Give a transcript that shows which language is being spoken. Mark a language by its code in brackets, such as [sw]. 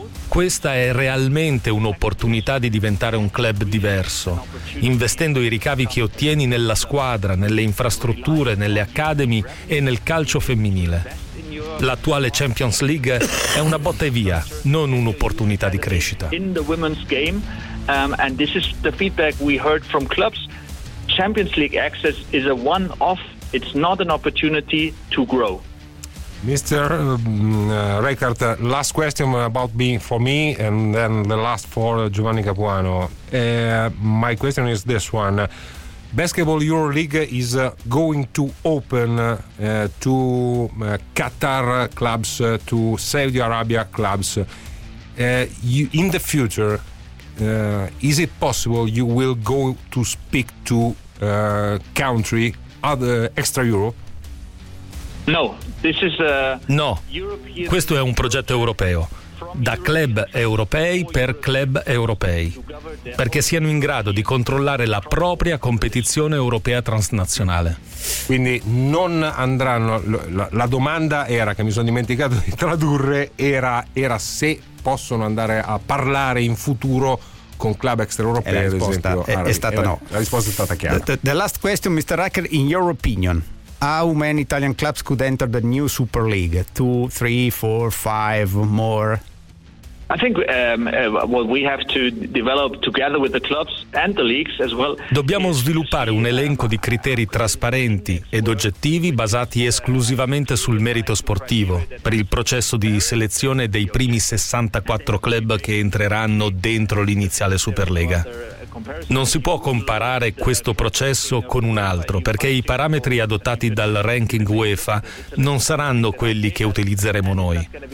[it] Questa è realmente un'opportunità di diventare un club diverso, investendo i ricavi che ottieni nella squadra, nelle infrastrutture, nelle academy e nel calcio femminile. L'attuale Champions League è una botta e via, non un'opportunità di crescita. [en] In the women's game, and this is the feedback we heard from clubs, Champions League access is a one-off, it's not an opportunity to grow. Mr. Reichert, last question about being for me, and then the last for Giovanni Capuano. My question is this one. Basketball EuroLeague is going to open to Qatar clubs, to Saudi Arabia clubs. You, in the future, is it possible you will go to speak to country other extra Europe? No, this is a no. [it] Questo è un progetto europeo, da club europei per club europei, perché siano in grado di controllare la propria competizione europea transnazionale. Quindi non andranno, la domanda era, che mi sono dimenticato di tradurre, era se possono andare a parlare in futuro con club extraeuropei, ad esempio. È stata no. La risposta è stata chiara. [en] The last question, Mr. Racker, in your opinion, how many Italian clubs could enter the new Super League? 2, 3, 4, 5 more? I think what we have to develop together with the clubs and the leagues as well. [it] Dobbiamo sviluppare un elenco di criteri trasparenti ed oggettivi basati esclusivamente sul merito sportivo per il processo di selezione dei primi 64 club che entreranno dentro l'iniziale Superlega. Non si può comparare questo processo con un altro, perché i parametri adottati dal ranking UEFA non saranno quelli che utilizzeremo noi.